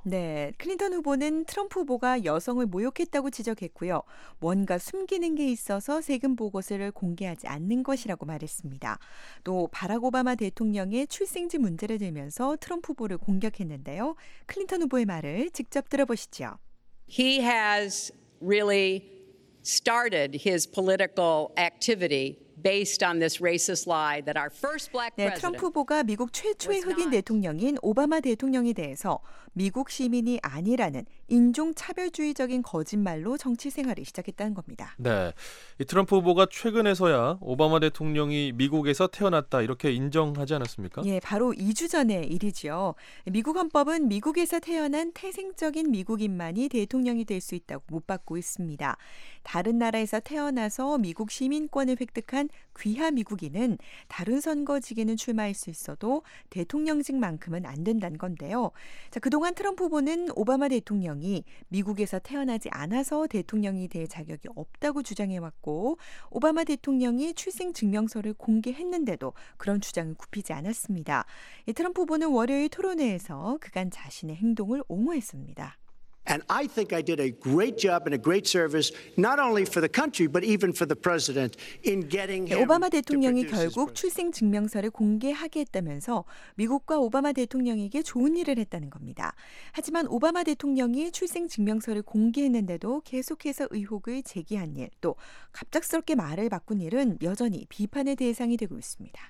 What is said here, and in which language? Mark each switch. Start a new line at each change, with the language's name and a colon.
Korean: 네, 클린턴 후보는 트럼프 후보가 여성을 모욕했다고 지적했고요. 뭔가 숨기는 게 있어서 세금 보고서를 공개하지 않는 것이라고 말했습니다. 또 바락 오바마 대통령의 출생지 문제를 들면서 트럼프 후보를 공격했는데요. 클린턴 후보의 말을 직접 들어보시죠.
English: He has really started his political activity based on this racist lie that our first black president.
Korean: 네, 트럼프 후보가 미국 최초의 흑인 대통령인 오바마 대통령에 대해서 미국 시민이 아니라는 인종 차별주의적인 거짓말로 정치 생활을 시작했다는 겁니다. 네. 이 트럼프 후보가 최근에서야 오바마 대통령이 미국에서 태어났다 이렇게 인정하지 않았습니까? 예, 바로 2주 전의 일이지요. 미국 헌법은 미국에서 태어난 태생적인 미국인만이 대통령이 될 수 있다고 못 박고 있습니다. 다른 나라에서 태어나서 미국 시민권을 획득한 하지만 귀하 미국인은 다른 선거직에는 출마할 수 있어도 대통령직만큼은 안 된다는 건데요. 자, 그동안 트럼프 후보는 오바마 대통령이 미국에서 태어나지 않아서 대통령이 될 자격이 없다고 주장해왔고 오바마 대통령이 출생증명서를 공개했는데도 그런 주장을 굽히지 않았습니다. 트럼프 후보는 월요일 토론회에서 그간 자신의 행동을 옹호했습니다.
English: And I think I did a great job and a great service, not only for the country, but even for the president in getting him.
Korean: 오바마 대통령이 결국 출생 증명서를 공개하게 했다면서 미국과 오바마 대통령에게 좋은 일을 했다는 겁니다. 하지만 오바마 대통령이 출생 증명서를 공개했는데도 계속해서 의혹을 제기한 일, 또 갑작스럽게 말을 바꾼 일은 여전히 비판의 대상이 되고 있습니다.